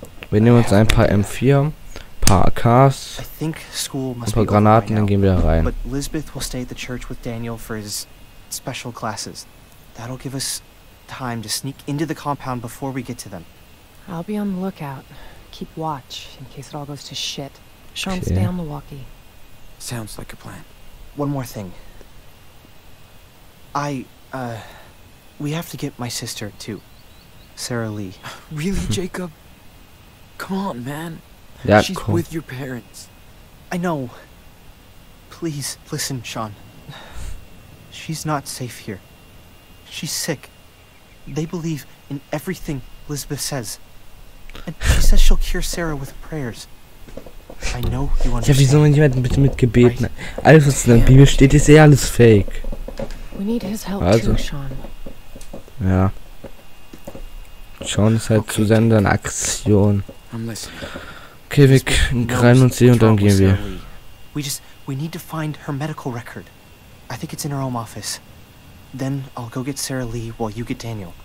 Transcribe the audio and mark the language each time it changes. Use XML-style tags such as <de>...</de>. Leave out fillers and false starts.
<de>Wir nehmen uns ein paar M4, ein paar AKs, ein paar Granaten, dann gehen wir da rein.</de> <en>But Lisbeth will stay at the church with Daniel for his special classes. That'll give us time to sneak into the compound before we get to them. I'll be on the lookout. Keep watch in case it all goes to shit. Sean, stay on the walkie. Sounds like a plan. One more thing. We have to get my sister, too. Sarah Lee. Really, Jacob? Come on, man. That she's cool. With your parents. I know. Please, listen, Sean. She's not safe here. She's sick. They believe in everything Elizabeth says. And she says she'll cure Sarah with prayers. I know you understand.</en> <de>Ja, wieso man jemanden bitte mit Gebeten? Alles, was in der Bibel steht, ist eh alles fake.</de> <en>We need his help too, Sean.</en> <de>Ja. Sean ist halt okay, zu Sender in Aktion. Okay, wir greifen uns hier und dann gehen wir.</de> <en>We need to find her medical record. I think it's in her home office. Then I'll go get Sarah Lee while you get Daniel.</en>